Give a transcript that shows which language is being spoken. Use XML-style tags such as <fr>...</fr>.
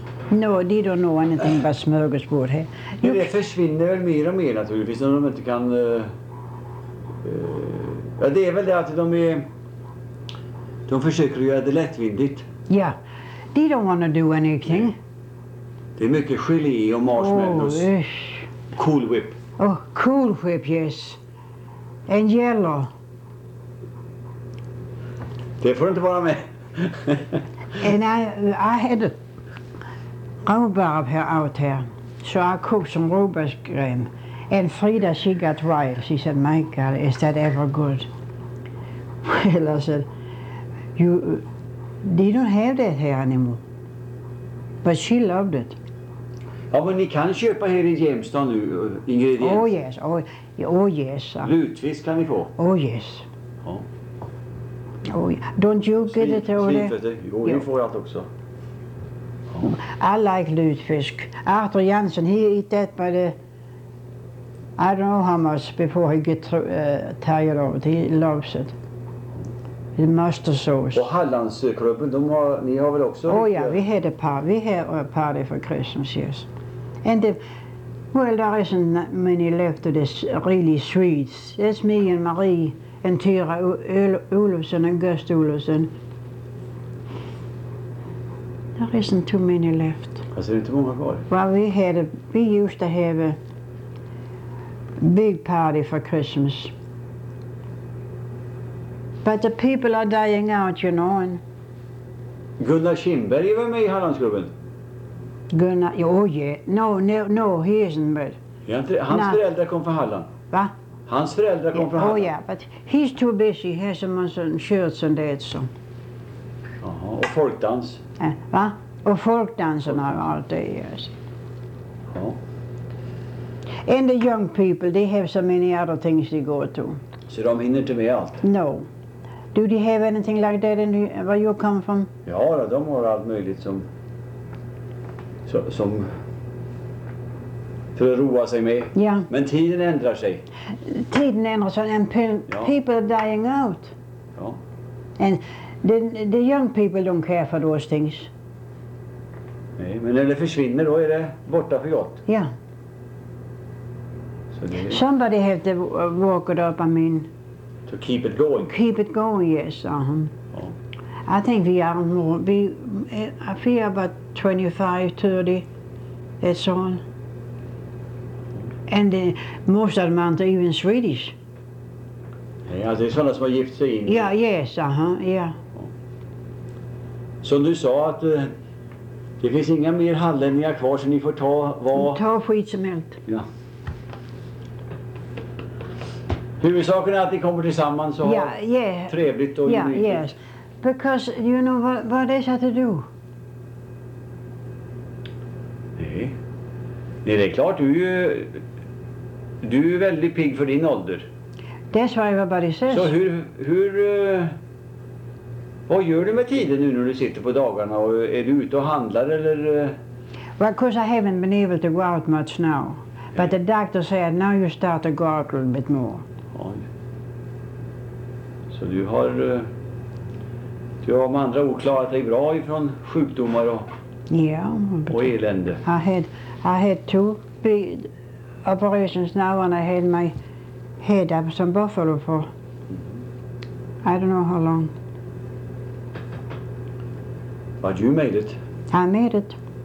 <en>No, they don't know anything about smörgåsbord här.</en> <sv>Men det försvinner väl mer och mer naturligtvis när de inte kan... Ja, det är väl det att de är... De försöker göra det lättvindigt.</sv> <en>Ja, yeah. They don't want to do anything. Mm.</en> <sv>Det är mycket gelé och marshmallows.</sv> <en>Oh, Cool Whip. Oh, Cool Whip, yes. And yellow.</en> <sv>Det får inte vara med.</sv> <en>And I had rhubarb here out here. So I cooked some rhubarb cream. And Frida, she got wild. She said, "My God, is that ever good?" Well, I said, they don't have that here anymore. But she loved it.</en> <sv>Ja, men ni kan köpa här i Jämstad nu ingredienser.</sv> <en>Oh yes, oh yes.</en> <sv>Lutfisk kan ni få.</sv> <en>Oh yes.</en> <sv>Ja.</sv> <en>Oh, don't you get it over there?</en> <sv>Jo, nu får jag det också.</sv> <en>Ja. I like lutfisk. Arthur Jansson, he eat that by the... I don't know how much before he get tired of it. He loves it. The mustard sauce.</en> <sv>Och Hallandsklubben, ni har väl också...</sv> <en>Oh yeah, we had a party. We had a party for Christmas, yes. And the, well, there isn't that many left of this really sweets. It's me and Marie and Tyra Olofsson and Gust Olofsson. There isn't too many left.</en> <sv>Alltså, det är inte många</sv> <en>kvar. Well, we used to have a big party for Christmas. But the people are dying out, you know. And</en> <sv>Gunnar Kimberg är väl med i Hallandsgruppen?</sv> <en>Gunnar, oh yeah. No, he isn't med.</en> <sv>Föräldrar kom från Halland. Va? Hans föräldrar kom från Halland.</sv> <en>Oh yeah, but he's too busy. He has some shirts and that, so.</en> <sv>Jaha, och folkdans. Va? Och folkdansen har allt det, yes. Ja.</sv> <en>And the young people, they have so many other things they go to.</en> <sv>Så de hinner inte med allt?</sv> <en>No. Do they have anything like that in where you come from?</en> <sv>Ja, de har allt möjligt som för att roa sig med. Ja. Men tiden ändrar sig. Tiden ändrar sig</sv> <en>and people are dying out.</en> <sv>Ja.</sv> <en>And the young people don't care for those things.</en> <sv>Nej, men när det försvinner då är det borta för gott. Ja.</sv> <en>Somebody have to walk it up, I mean. To keep it going. Keep it going, yes.</en> <sv>Ja.</sv> <en>I think we are more, I feel about 25, 30, that's all. And most of them aren't even Swedish.</en> <sv>Ja, det är sådana som har gift sig in.</sv> <en>Ja, yes, yeah.</en> <sv>Som du sa att det finns inga mer hallänningar kvar så ni får ta vad... Ta skitsmält. Ja. Huvudsaken är att ni kommer tillsammans och har trevligt och</sv> <en>gemütligt. Yeah, yes. Because you know what they have to do?</en> <sv>Nej. Nej, det är klart. Du är väldigt pigg för din ålder. That's why everybody says. Så hur... Vad gör du med tiden nu när du sitter på dagarna? Och är du ute och handlar eller...</sv> <en>Well, because I haven't been able to go out much now. Nej. But the doctor said now you start to go out a little bit more.</en> <sv>Så du har med andra ord klarat dig bra ifrån sjukdomar och...</sv> <en>Yeah. Way Linda. I had two big operations now, and I had my head up some buffalo for I don't know how long. But you made it. I made it.</en>